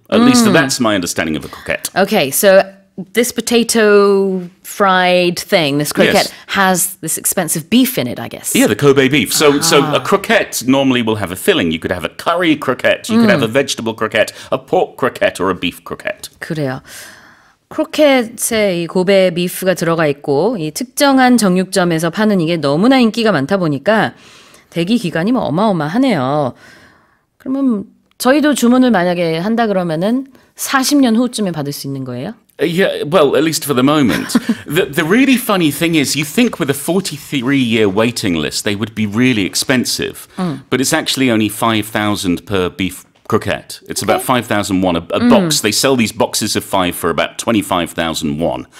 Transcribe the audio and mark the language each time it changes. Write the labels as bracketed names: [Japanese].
[English] At least that's my understanding of a croquette. Okay, so this potato fried thing, this croquette, yes, has this expensive beef in it, I guess. Yeah, the Kobe beef. So so a croquette normally will have a filling. You could have a curry croquette, you could have a vegetable croquette, a pork croquette, or a beef croquette. [Korean] 그래요. 크로켓에 이 고베 비프가 들어가 있고 이 특정한 정육점에서 파는 이게 너무나 인기가 많다 보니까 대기 기간이 뭐 어마어마하네요. 그러면 저희도 주문을 만약에 한다 그러면은 40년 후쯤에 받을 수 있는 거예요? [English] Yeah, well, at least for the moment. The really funny thing is, you think with a 43-year waiting list, they would be really expensive. But it's actually only 5,000 per beef croquette. It's about 5,000 won a box. They sell these boxes of five for about 25,000 won.